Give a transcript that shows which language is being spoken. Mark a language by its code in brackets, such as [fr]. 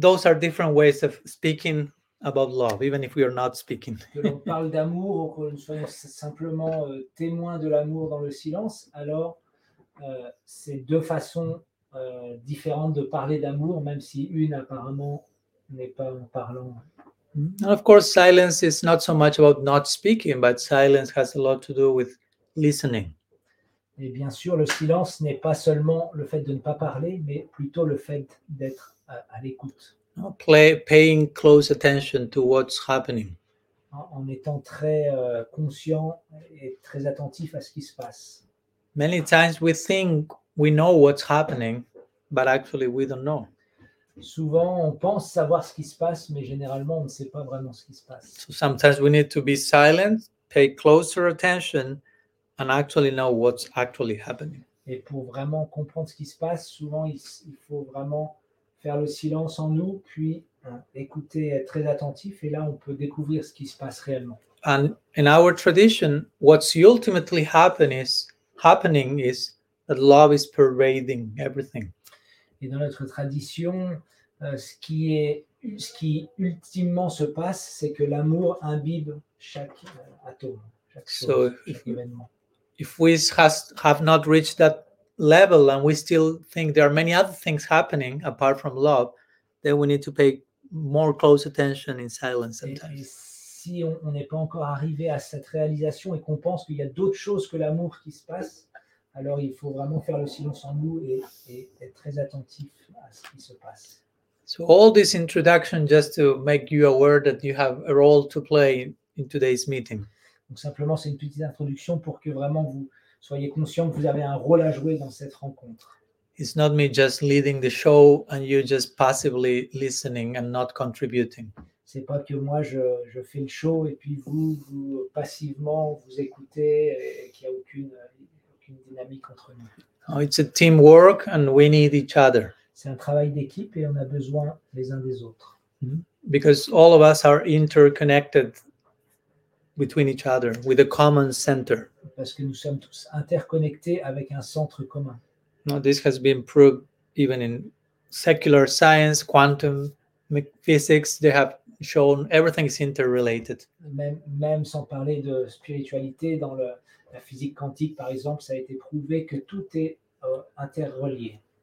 [en] Those are different ways of speaking about love, even if we are not speaking. [fr] Que l'on parle d'amour ou qu'on soit simplement témoin de l'amour dans le silence, alors c'est deux façons différentes de parler d'amour, même si une apparemment n'est pas en parlant. [en] And of course, silence is not so much about not speaking, but silence has a lot to do with listening. [fr] Et bien sûr, le silence n'est pas seulement le fait de ne pas parler, mais plutôt le fait d'être à l'écoute. [en] Paying close attention to what's happening. [fr] En étant très conscient et très attentif à ce qui se passe. [en] Many times we think we know what's happening, but actually we don't know. [fr] Souvent, on pense savoir ce qui se passe, mais généralement, on ne sait pas vraiment ce qui se passe. [en] So sometimes we need to be silent, pay closer attention, and actually know what's actually happening. [fr] Et pour vraiment comprendre ce qui se passe, souvent, il faut vraiment faire le silence en nous, puis écouter, être très attentif, et là, on peut découvrir ce qui se passe réellement. [en] And in our tradition, what's ultimately happening is that love is pervading everything. [fr] Et dans notre tradition, ce qui ultimement se passe, c'est que l'amour imbibe chaque atome, chaque événement. [en] If we have not reached that level and we still think there are many other things happening apart from love, then we need to pay more close attention in silence sometimes. [fr] Et si on n'est pas encore arrivé à cette réalisation et qu'on pense qu'il y a d'autres choses que l'amour qui se passent, alors il faut vraiment faire le silence en nous et être très attentif à ce qui se passe. [en] So all this introduction just to make you aware that you have a role to play in today's meeting. [fr] Donc simplement c'est une petite introduction pour que vraiment vous soyez conscient que vous avez un rôle à jouer dans cette rencontre. [en] It's not me just leading the show and you just passively listening and not contributing. [fr] C'est pas que moi je fais le show et puis vous passivement vous écoutez et qu'il y a aucune dynamique entre nous. [en] No, it's a teamwork and we need each other. [fr] C'est un travail d'équipe et on a besoin les uns des autres. [en] Because all of us are interconnected between each other with a common center. [fr] Parce que nous sommes tous interconnectés avec un centre commun. [en] Now, this has been proved even in secular science, quantum physics. They have shown everything is interrelated. [fr] Même sans parler de spiritualité, dans la physique quantique, par exemple, ça a été prouvé que tout est interrelié.